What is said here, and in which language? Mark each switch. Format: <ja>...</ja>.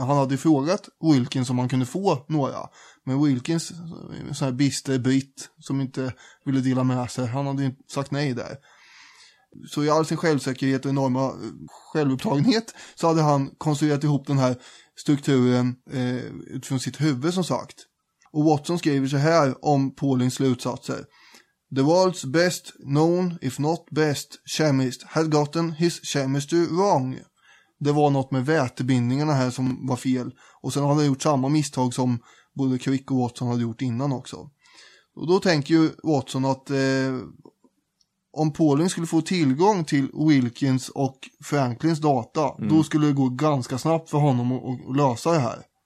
<sv>Han hade frågat Wilkins om han kunde få några. Men Wilkins, sån här bister britt som inte ville dela med sig, han hade ju sagt nej där. Så i all sin självsäkerhet och enorma självupptagenhet så hade han konstruerat ihop den här strukturen utifrån sitt huvud som sagt. Och Watson skriver så här om Paulings slutsatser.</sv> <en>The world's best known, if not best, chemist had gotten his chemistry wrong.</en> <sv>Det var något med vätebindningarna här som var fel. Och sen hade han gjort samma misstag som både Crick och Watson hade gjort innan också. Och då tänker ju Watson att om Pauling skulle få tillgång till Wilkins och Franklins data, då skulle det gå ganska snabbt för honom att lösa det här.</sv>